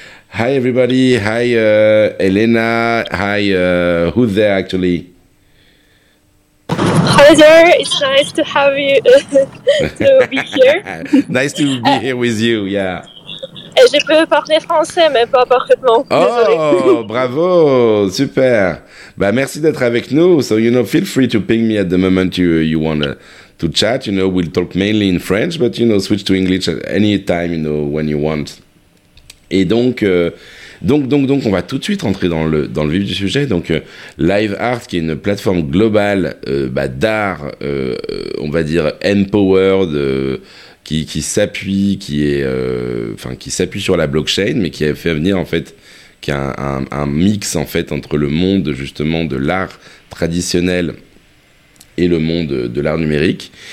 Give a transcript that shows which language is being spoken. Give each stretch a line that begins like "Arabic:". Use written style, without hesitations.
English: Hi everybody, hi Elena, hi, who's there actually? Hi there, it's nice to have you, to be here. Nice to be here with you, yeah.
French: Et je peux parler français, mais pas parfaitement. Oh, bravo, super. Merci d'être avec nous.
English: So, you know, feel free to ping me at the moment you want to chat. You know, we'll talk mainly in French, but, you know, switch to English at any time, you know, when you want.
French: Et donc, on va tout de suite rentrer dans le vif du sujet. Donc, LiveArt, qui est une plateforme globale d'art, on va dire, empowered, qui s'appuie sur la blockchain, mais qui a fait venir en fait qu'un mix en fait entre le monde justement de l'art traditionnel et le monde de l'art numérique.